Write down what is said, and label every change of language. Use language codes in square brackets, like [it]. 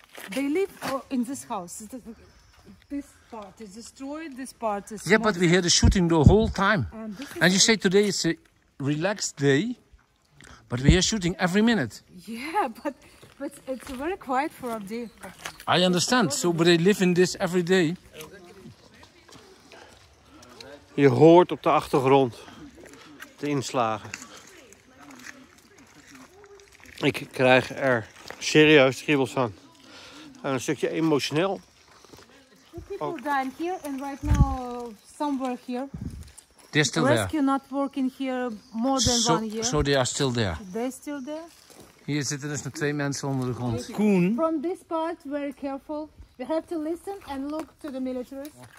[en] They live in this house. This part is destroyed. This part is. Yeah, but we hear the shooting the whole time. And you say today is a relaxed day, but we hear shooting every minute. Yeah, but it's very quiet for Avdijivka. I understand. So, but they live in this every day. [nl] Je hoort op de achtergrond de inslagen. Ik krijg er serieus kriebels van. En een stukje emotioneel. [en] Two people dying here and right now somewhere here. They're still there. Rescue not working here more than so, 1 year. So they are still there. They're still there. [nl] Hier zitten dus nog twee mensen onder de grond. Coen. [en] From this part, very careful. We have to listen and look to the militaries.